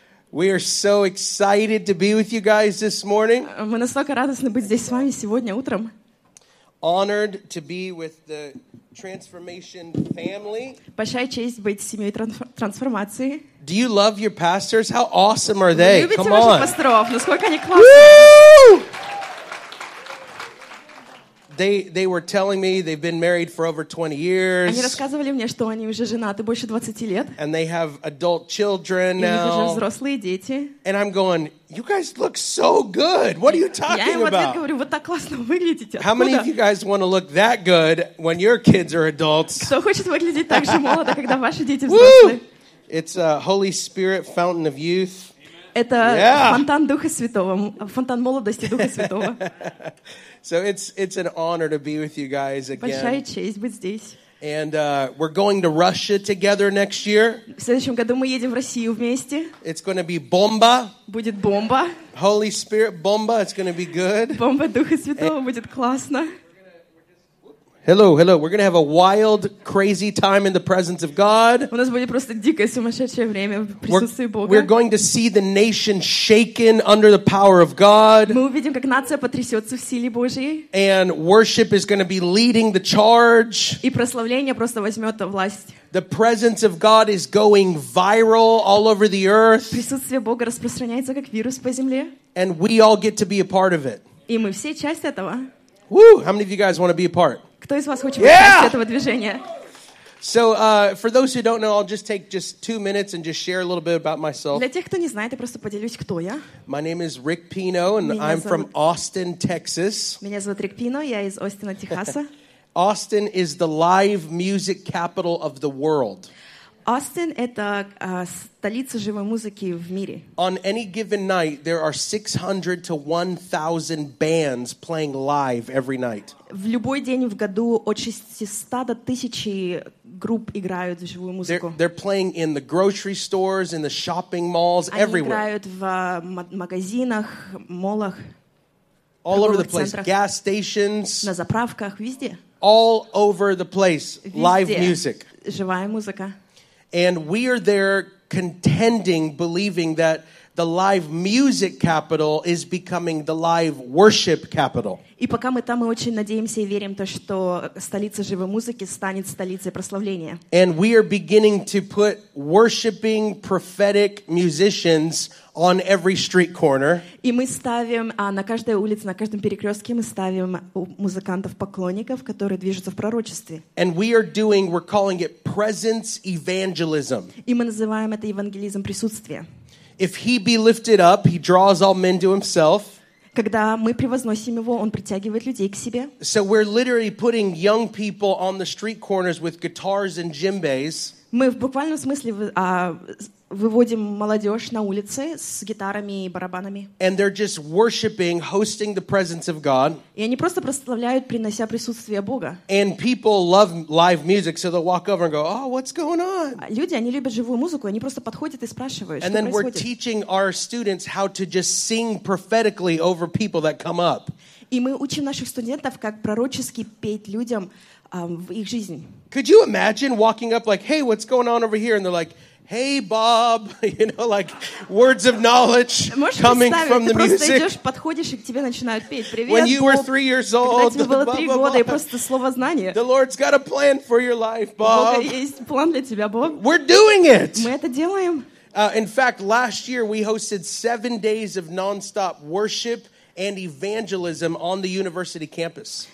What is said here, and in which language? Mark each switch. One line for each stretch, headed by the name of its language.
English: We are so excited to be with you guys this morning.
Russian: Мы настолько радостны быть здесь с вами сегодня утром.
English: Honored to be with the Transformation family.
Russian: Большая честь быть семьей трансформации.
English: Do you love your pastors? How awesome are they? Come on.
Russian: Любите ваших пасторов? Насколько они классные?
English: They were telling me they've been married for over 20 years.
Russian: Они рассказывали мне, что они уже женаты больше 20 лет.
English: And they have adult children now.
Russian: И у них уже взрослые дети.
English: And I'm going, you guys look so good. What are you talking about?
Russian: Я им в ответ говорю, вы так классно выглядите. Откуда?
English: How many of you guys want to look that good when your kids are adults?
Russian: Кто хочет выглядеть так же молодо, когда ваши дети взрослые?
English: It's a Holy Spirit fountain of youth.
Russian: Это фонтан Духа Святого, фонтан молодости Духа Святого.
English: So it's an honor to be with you guys again.
Russian: Большая честь быть здесь.
English: And we're going to Russia together next year.
Russian: В следующем году мы едем в Россию вместе.
English: It's going to be bomba.
Russian: Будет бомба.
English: Holy Spirit bomba. It's going to be good.
Russian: Бомба Духа Святого, будет классно.
English: Hello. We're going to have a wild, crazy time in the presence of God.
Russian: У нас будет просто дикое сумасшедшее время в присутствии Бога.
English: We're going to see the nation shaken under the power of God.
Russian: Мы увидим, как нация потрясется в силе Божьей.
English: And worship is going to be leading the charge.
Russian: И прославление просто возьмет власть.
English: The presence of God is going viral all over the earth.
Russian: Присутствие Бога распространяется как вирус по земле.
English: And we all get to be a part of it.
Russian: И мы все часть этого. Woo!
English: How many of you guys want to be a part?
Russian: Кто из вас хочет быть частью этого движения?
English: So, for those who don't know, I'll just take just 2 minutes and just share a little bit about myself.
Russian: Для тех, кто не знает, я просто поделюсь, кто я.
English: My name is Rick Pino, and I'm from Austin, Texas.
Russian: Меня зовут Рик Пино, я из Остина, Техаса.
English: Austin is the live music capital of the world.
Russian: Austin — это столица живой музыки в мире.
English: On any given night, there are 600 to 1,000 bands playing live every night.
Russian: В любой день в году от 600 до 1000 групп играют живую музыку.
English: They're playing in the grocery stores, in the shopping malls,
Russian: Они
English: everywhere.
Russian: Они играют в магазинах, молах,
English: All over the place.
Russian: Центрах,
English: gas stations.
Russian: На заправках, везде.
English: All over the place.
Russian: Везде.
English: Live music.
Russian: Живая музыка.
English: And we are there contending, believing that the live music capital is becoming the live worship capital.
Russian: И пока мы там, мы очень надеемся и верим то, что столица живой музыки станет столицей прославления.
English: And we are beginning to put worshiping prophetic musicians on every street corner.
Russian: И мы ставим на каждой улице, на каждом перекрестке мы ставим музыкантов-поклонников, которые движутся в пророчестве.
English: And we are doing, we're calling it presence evangelism.
Russian: И мы называем это евангелизм присутствия.
English: If he be lifted up, he draws all men to himself.
Russian: Когда мы превозносим его, он притягивает людей к себе.
English: So we're literally putting young people on the street corners with guitars and djembes.
Russian: Мы в буквальном смысле выводим молодежь на улицы с гитарами и барабанами.
English: And they're just worshiping, hosting the presence of God.
Russian: И они просто прославляют, принося присутствие Бога.
English: And people love live music, so they'll walk over and go, "Oh, what's going on?"
Russian: Люди, они любят живую музыку, они просто подходят и спрашивают, что происходит.
English: And then we're teaching our students how to just sing prophetically over people that come up.
Russian: И мы учим наших студентов, как пророчески петь людям в их жизни.
English: Could you imagine walking up like, "Hey, what's going on over here?" And they're like, Hey, Bob, you know, like words of knowledge coming from the music.
Russian: Идешь, подходишь, и к тебе начинают петь. Привет,
English: when you Bob. Were 3 years old,
Russian: года, просто слово знание.
English: The Lord's got a plan for your life, Bob.
Russian: Есть план для тебя, Bob.
English: We're doing it.
Russian: Мы это делаем.
English: In fact, last year we hosted 7 days of non-stop worship and evangelism on the university campus.